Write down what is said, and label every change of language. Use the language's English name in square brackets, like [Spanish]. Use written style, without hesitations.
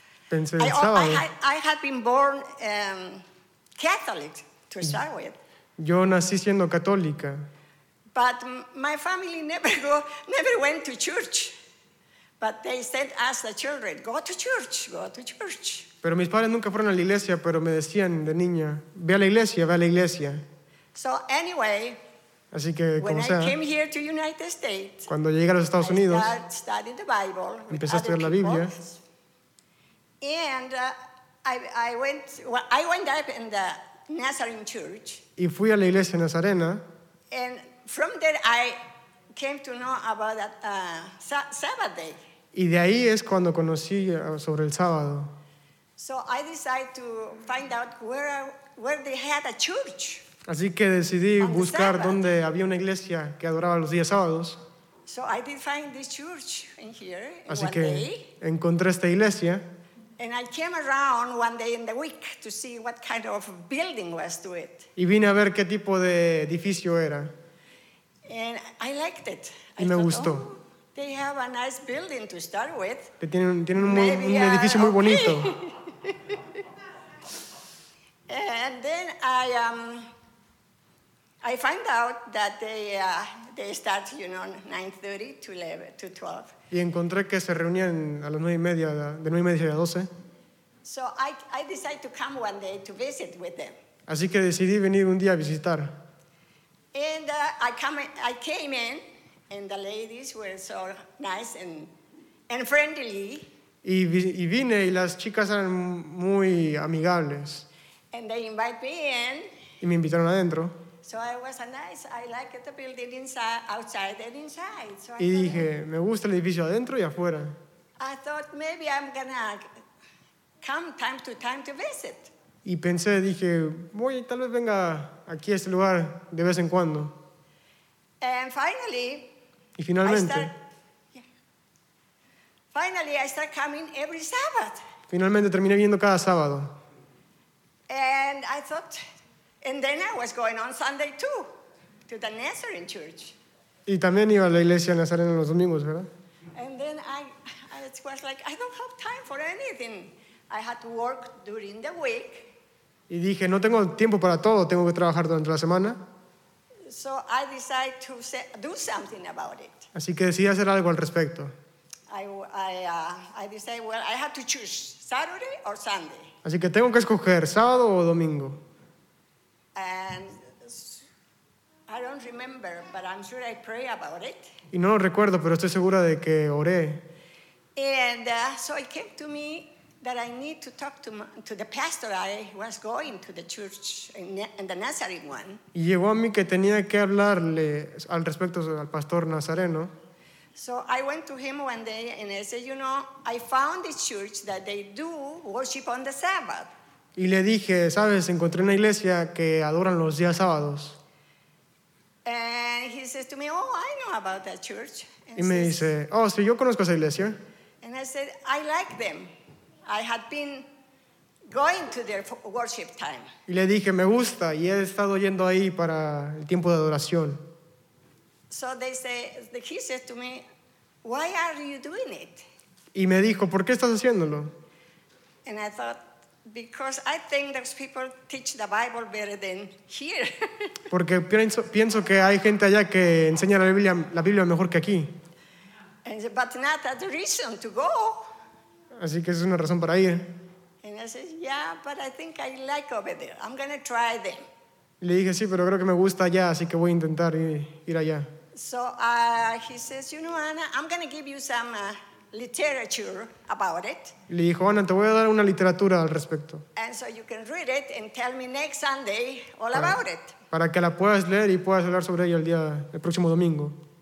[Spanish] Pensé en sábado. [English] I had been born Catholic to start with. [Spanish] Yo nací siendo católica. [English] But my family never went to church. But they said, ask the children, go to church, go to church. [Spanish] Pero mis padres nunca fueron a la iglesia, pero me decían de niña, ve a la iglesia, ve a la iglesia. [English] So anyway, [Spanish] así que, como [English] when [Spanish] sea, [English] I came here to United States, [Spanish] cuando llegué a los Estados Unidos, [English] studied the Bible, [Spanish] empecé a estudiar la Biblia. [English] And I went up in the Nazarene Church. [Spanish] Y fui a la iglesia nazarena. [English] And from there I came to know about that Sabbath day. [Spanish] Y de ahí es cuando conocí sobre el sábado. [English] So I decided to find out where they had a church. [Spanish] Así que decidí buscar dónde había una iglesia que adoraba los días sábados. [English] So I did find this church in here. [Spanish] Así que encontré esta iglesia. [English] And I came around one day in the week to see what kind of building was to it. [Spanish] Y vine a ver qué tipo de edificio era. [English] And I liked it. [Spanish] Y me gustó. [English] Oh, they have a nice building to start with. [Spanish] Tienen un edificio muy bonito. [English] And then I find out that they start, you know, 9:30 to 11 to 12. [Spanish] Y encontré que se reunían a las 9:30, de 9:30 a 12. [English] So I decided to come one day to visit with them. [Spanish] Así que decidí venir un día a visitar. [English] And I came in, and the ladies were so nice and friendly. [Spanish] Y vine, y las chicas eran muy amigables. [English] And they invited me in. [Spanish] Y me invitaron adentro. [English] So I was nice. I liked the building inside, outside and inside. So [Spanish] y dije, me gusta el edificio adentro y afuera. [English] I thought maybe I'm gonna come time to time to visit. [Spanish] Y pensé, dije, voy, tal vez venga aquí a este lugar de vez en cuando. [English] And finally. [Spanish] Y finalmente. [English] I start coming every Sabbath. [Spanish] Finalmente terminé viendo cada sábado. [English] And I thought. And then I was going on Sunday too, to the Nazarene Church. [Spanish] Y también iba a la iglesia nazarena los domingos, ¿verdad? [English] And then I was like, I don't have time for anything. I had to work during the week. [Spanish] Y dije, no tengo tiempo para todo. Tengo que trabajar durante la semana. [English] So I decided to do something about it. [Spanish] Así que decidí hacer algo al respecto. [English] I decided, well, I have to choose Saturday or Sunday. [Spanish] Así que tengo que escoger sábado o domingo. [English] And I don't remember, but I'm sure I pray about it. [Spanish] Y no lo recuerdo, pero estoy segura de que oré. [English] And so it came to me that I need to talk to the pastor I was going to the church in the Nazarene one. [Spanish] Y llegó a mí que tenía que hablarle al respecto al pastor nazareno. [English] So I went to him one day and I said, you know, I found this church that they do worship on the Sabbath. [Spanish] Y le dije, ¿sabes? Encontré una iglesia que adoran los días sábados. [English] And he says to me, oh, I know about that church. And [Spanish] y me [English] says, [Spanish] dice, oh, sí, yo conozco esa iglesia. [English] And I said, I like them. I had been going to their worship time. [Spanish] Y le dije, me gusta, y he estado yendo ahí para el tiempo de adoración. [English] So they say, he says to me, why are you doing it? [Spanish] Y me dijo, ¿por qué estás haciéndolo? [English] And I thought, because I think those people teach the Bible better than here. [Spanish] Porque pienso que hay gente allá que enseña la Biblia mejor que aquí. [English] And, but not a reason to go. [Spanish] Así que es una razón para ir. [English] And I said, yeah, but I think I like over there. I'm going to try them. [Spanish] Le dije, sí, pero creo que me gusta allá, así que voy a intentar ir allá. [English] So he says, you know, Anna, I'm going to give you some literature about it. [Spanish] Le dijo, Ana, te voy a dar una literatura al respecto. [English] And so you can read it and tell me next Sunday all about it. [Spanish] Para que la puedas leer y puedas hablar sobre ella el próximo domingo.